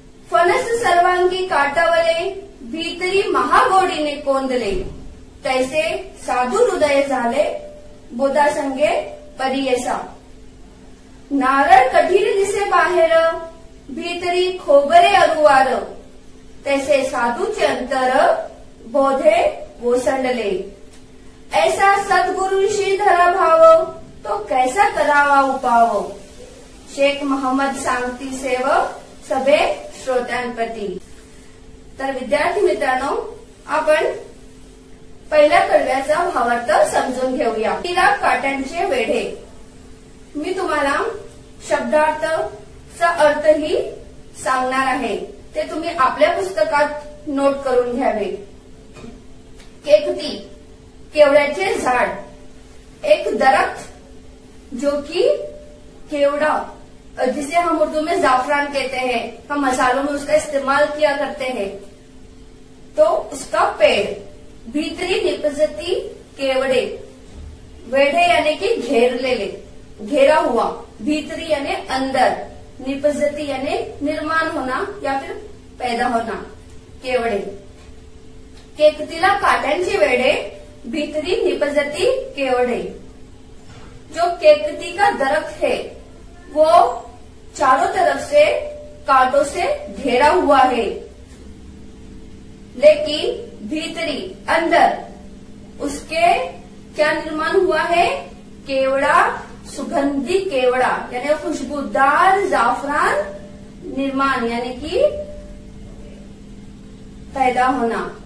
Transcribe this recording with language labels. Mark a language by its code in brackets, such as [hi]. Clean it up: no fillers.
[mr] फणस सर्वांगी काटावले भीतरी महागोडीने कोंदले तैसे साधू हृदय झाले बोधा संगे परियसा. नारळ कठीर दिसे बाहेर भीतरी खोबरे अरुवार तैसे साधूचे अंतर बोधे वोसंडले. ऐसा सद्गुरुशी धरा भाव तो कैसा करावा उपाव. शेख महम्मद सांगती सेव सभे श्रोत्यांपती. तर विद्यार्थी मित्रांनो, आपण पहिल्या कडव्याचा भावार्थ समजून घेऊया. तिला काट्यांचे वेढे. मी तुम्हाला शब्दार्थ चा अर्थही सांगणार आहे, ते तुम्ही आपल्या पुस्तकात नोट करून घ्यावे. केकती केवड्याचे झाड. [hi] एक दरख्त जो की केवड़ा, जिसे हम उर्दू में जाफरान कहते हैं, हम मसालों में उसका इस्तेमाल किया करते हैं, तो उसका पेड़. [mr] भीतरी निपजती केवड़े, [hi] वेढ़े यानी कि घेर ले ले, घेरा हुआ. भीतरी यानी अंदर, निपजती यानी निर्माण होना या फिर पैदा होना. [mr] केवड़े केकतीला काट्यांचे वेढे भीतरी निपजती केवड़े. [hi] जो केकती का दरख्त है वो चारों तरफ से कांटों से घेरा हुआ है, लेकिन भीतरी अंदर उसके क्या निर्माण हुआ है, केवड़ा, सुगंधी केवड़ा यानी खुशबूदार जाफरान निर्माण यानी कि पैदा होना.